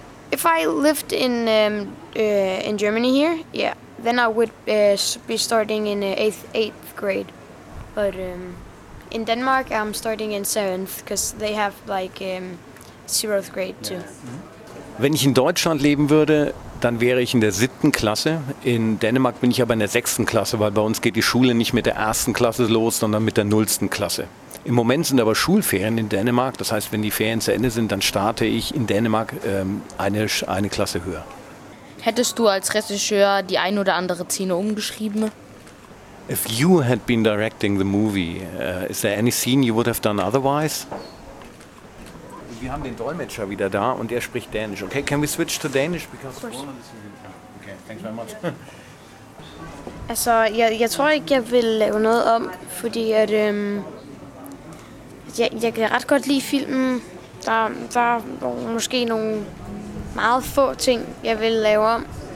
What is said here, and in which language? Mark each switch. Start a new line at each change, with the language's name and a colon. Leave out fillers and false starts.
English: If I lived in Germany here, yeah, then I would be starting in eighth grade. But in Denmark, I'm starting in 7th, because they have like 0th grade too.
German: Wenn ich in Deutschland leben würde, dann wäre ich in der 7. Klasse. In Dänemark bin ich aber in der 6. Klasse, weil bei uns geht die Schule nicht mit der 1. Klasse los, sondern mit der 0. Klasse. Im Moment sind aber Schulferien in Dänemark, das heißt, wenn die Ferien zu Ende sind, dann starte ich in Dänemark eine Klasse höher. Hättest du als Regisseur die ein oder andere Szene umgeschrieben?
English: If you had been directing the movie, is there any scene you would have done otherwise?
German: Wir haben den Dolmetscher wieder da und er spricht Dänisch.
English: Okay, can we switch to Danish? Because of course. Okay, thanks very much.
Danish: Also, jeg tror ikke, jeg vil lave noget om, fordi at... Jeg kan ret godt lide filmen. Der er måske nogle meget få ting, jeg vil lave om.